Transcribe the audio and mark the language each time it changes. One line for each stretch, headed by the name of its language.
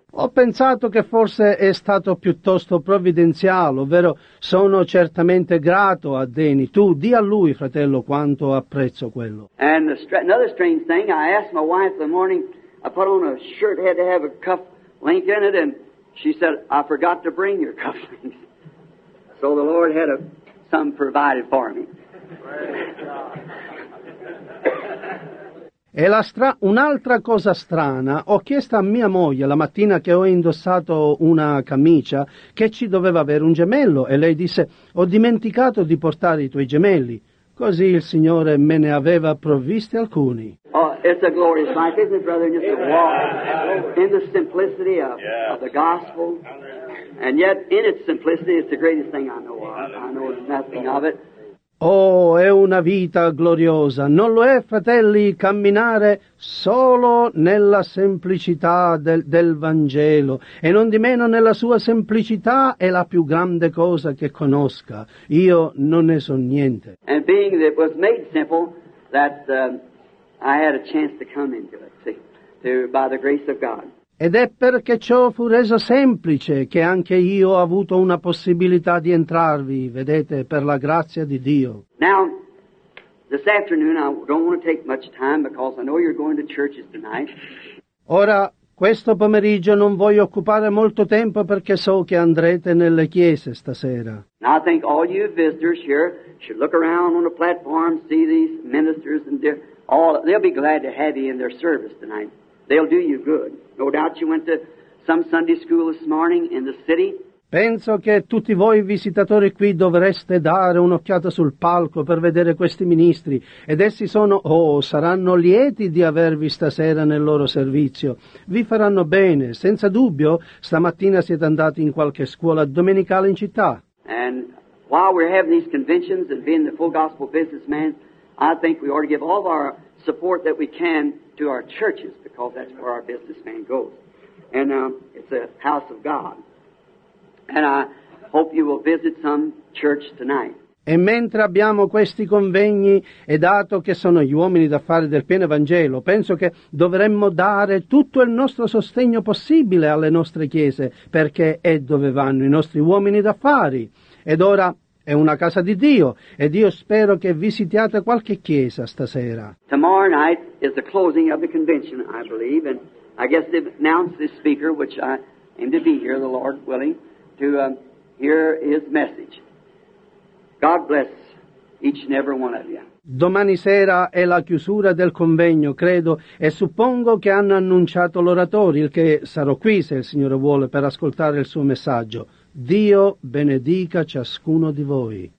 Italian: Ho pensato che forse è stato piuttosto provvidenziale, ovvero sono certamente grato a Danny. Tu di a lui, fratello, quanto apprezzo quello.
English: And another strange thing, I asked my wife the morning, I put on a shirt, had to have a cuff link in it, and she said, I forgot to bring your cuff links. So the Lord had some provided for me.
Italian: E un'altra cosa strana, ho chiesto a mia moglie la mattina che ho indossato una camicia che ci doveva avere un gemello e lei disse, ho dimenticato di portare i tuoi gemelli, così il Signore me ne aveva provvisti alcuni.
English: Oh, it's a glorious life, isn't it, brother? Just a walk in the simplicity of the gospel, and yet in its simplicity it's the greatest thing I know of. I know nothing of it.
Italian: Oh, è una vita gloriosa. Non lo è, fratelli, camminare solo nella semplicità del Vangelo. E non di meno nella sua semplicità è la più grande cosa che conosca. Io non ne so niente.
English: And being that it was made simple, that I had a chance to come into it, see, by the grace of God.
Italian: Ed è perché ciò fu reso semplice che anche io ho avuto una possibilità di entrarvi, vedete, per la grazia di Dio.
English: Now, this afternoon I don't want to take much time because I know you're going to churches tonight.
Italian: Ora, questo pomeriggio non voglio occupare molto tempo perché so che andrete nelle chiese stasera.
English: Now, I think all you visitors here should look around on the platform, see these ministers and Oh, they'll be glad to have you in their service tonight. They'll do you good. No doubt you went to some Sunday school this morning in the city.
Italian: Penso che tutti voi visitatori qui dovreste dare un'occhiata sul palco per vedere questi ministri, ed essi sono, saranno lieti di avervi stasera nel loro servizio. Vi faranno bene, senza dubbio. Stamattina siete andati in qualche scuola domenicale in città.
English: And while we're having these conventions and being the full gospel businessman, I think we ought to give all of our support that we can to our churches, because that's where our businessman goes. And it's a house of God. And I hope you will visit some church tonight.
Italian: E mentre abbiamo questi convegni, e dato che sono gli uomini d'affari del pieno Evangelo, penso che dovremmo dare tutto il nostro sostegno possibile alle nostre chiese, perché è dove vanno i nostri uomini d'affari. Ed ora è una casa di Dio, ed io spero che visitiate qualche chiesa stasera.
English: Tomorrow night is the closing of the convention, I believe, and I guess they've announced this speaker, which I aim to be here, the Lord willing, to hear his message. God bless each and every one of you.
Italian: Domani sera è la chiusura del convegno, credo, e suppongo che hanno annunciato l'oratore, il che sarò qui, se il Signore vuole, per ascoltare il suo messaggio. Dio benedica ciascuno di voi.